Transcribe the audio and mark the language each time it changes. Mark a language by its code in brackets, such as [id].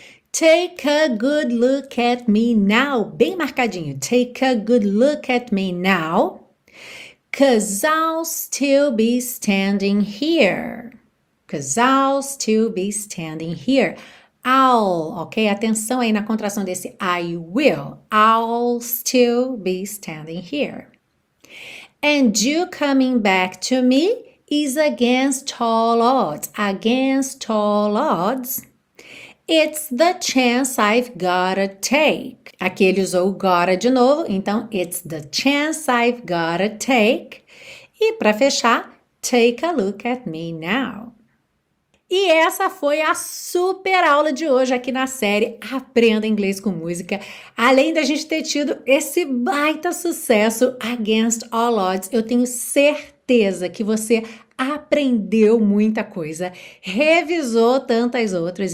[en] Take a good look at me now. [pt] Bem marcadinho. [en] Take a good look at me now. 'Cause I'll still be standing here. 'Cause I'll still be standing here. I'll, ok? [pt] Atenção aí na contração desse I will. [en] I'll still be standing here. And you coming back to me is against all odds. Against all odds. It's the chance I've gotta take. [pt] Aqui ele usou o gotta de novo, então [en] it's the chance I've gotta take. [pt] E pra fechar, [en] take a look at me now. [pt] E essa foi a super aula de hoje aqui na série Aprenda Inglês com Música. Além da gente ter tido esse baita sucesso, Against All Odds, eu tenho certeza certeza que você aprendeu muita coisa, revisou tantas outras.